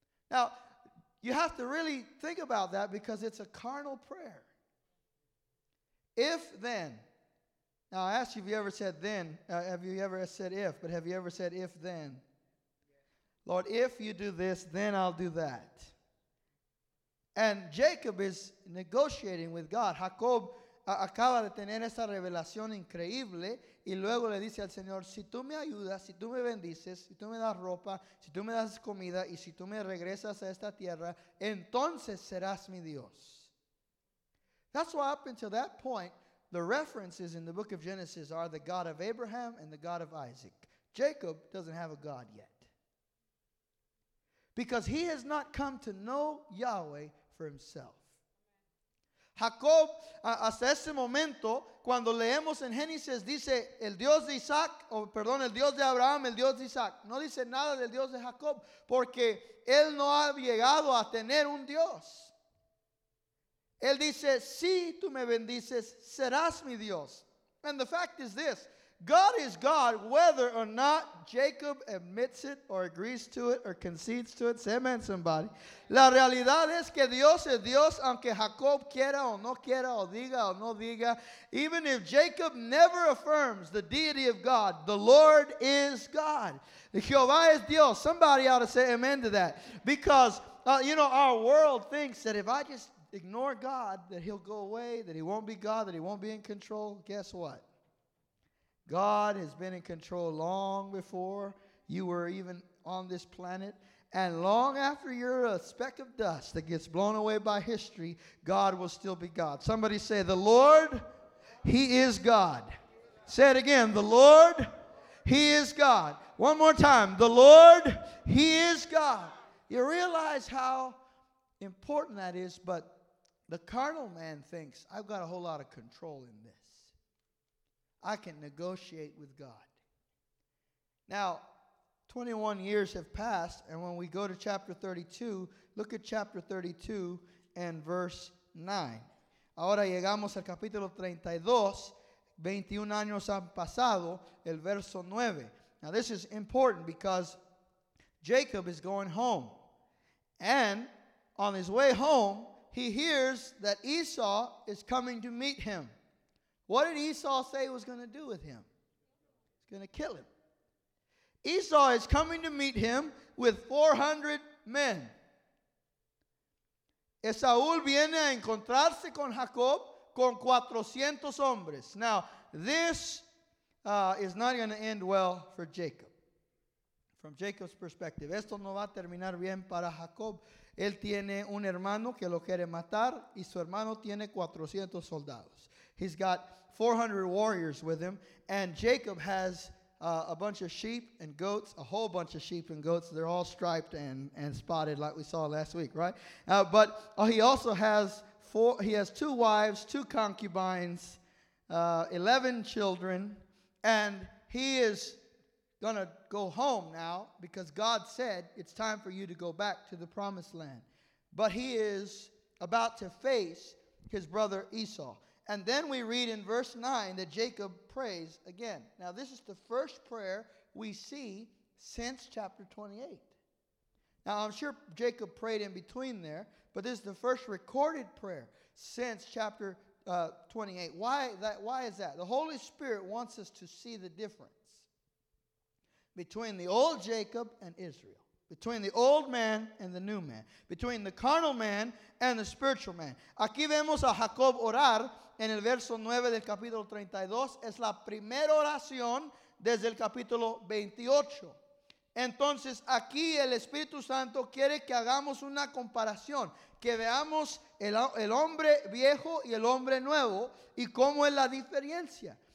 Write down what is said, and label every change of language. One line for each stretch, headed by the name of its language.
English: Now, you have to really think about that because it's a carnal prayer. If then, now I ask you if you ever said then, have you ever said if, but have you ever said if then? Yes. Lord, if you do this, then I'll do that. And Jacob is negotiating with God.
Spanish: Jacob acaba de tener esa revelación increíble y luego le dice al Señor, si tú me ayudas, si tú me bendices, si tú me das ropa, si tú me das comida y si tú me regresas a esta tierra, entonces serás mi Dios.
English: That's why up until that point, the references in the book of Genesis are the God of Abraham and the God of Isaac. Jacob doesn't have a God yet. Because he has not come to know Yahweh for himself.
Spanish: Jacob, hasta ese momento, cuando leemos en Génesis, dice el Dios de Isaac, o perdón, el Dios de Abraham, el Dios de Isaac. No dice nada del Dios de Jacob, porque él no ha llegado a tener un Dios. Él dice, si tú me bendices, serás mi Dios.
English: And the fact is this, God is God whether or not Jacob admits it or agrees to it or concedes to it. Say amen, somebody.
Spanish: La realidad es que Dios es Dios, aunque Jacob quiera o no quiera o no diga.
English: Even if Jacob never affirms the deity of God, the Lord is God.
Spanish: Jehová es Dios.
English: Somebody ought to say amen to that. Because, you know, our world thinks that if I just ignore God, that he'll go away, that he won't be God, that he won't be in control, guess what? God has been in control long before you were even on this planet. And long after you're a speck of dust that gets blown away by history, God will still be God. Somebody say, the Lord, he is God. Say it again. The Lord, he is God. One more time. The Lord, he is God. You realize how important that is, but the carnal man thinks, I've got a whole lot of control in this. I can negotiate with God. Now, 21 years have passed, and when we go to chapter 32, look at chapter 32 and verse 9.
Spanish: Ahora llegamos al capítulo 32, 21 años han pasado, el verso 9.
English: Now this is important because Jacob is going home. And on his way home, he hears that Esau is coming to meet him. What did Esau say he was going to do with him? He's going to kill him. Esau is coming to meet him with 400 men.
Spanish: Esau viene a encontrarse con Jacob con 400 hombres.
English: Now, this is not going to end well for Jacob. From Jacob's perspective,
Spanish: esto no va a terminar bien para Jacob. Él tiene un hermano que lo quiere matar y su hermano tiene 400 soldados.
English: He's got 400 warriors with him, and Jacob has a bunch of sheep and goats, a whole bunch of sheep and goats. They're all striped and spotted like we saw last week, right? But he also has two wives, two concubines, 11 children, and he is going to go home now because God said it's time for you to go back to the promised land. But he is about to face his brother Esau. And then we read in verse 9 that Jacob prays again. Now, this is the first prayer we see since chapter 28. Now, I'm sure Jacob prayed in between there, but this is the first recorded prayer since chapter 28. Why is that? The Holy Spirit wants us to see the difference between the old Jacob and Israel, between the old man and the new man, between the carnal man and the spiritual man.
Spanish: Aquí vemos a Jacob orar. En el verso 9 del capítulo 32 es la primera oración desde el capítulo 28. Entonces aquí el Espíritu Santo quiere que hagamos una comparación, que veamos el hombre viejo y el hombre nuevo y cómo es la diferencia.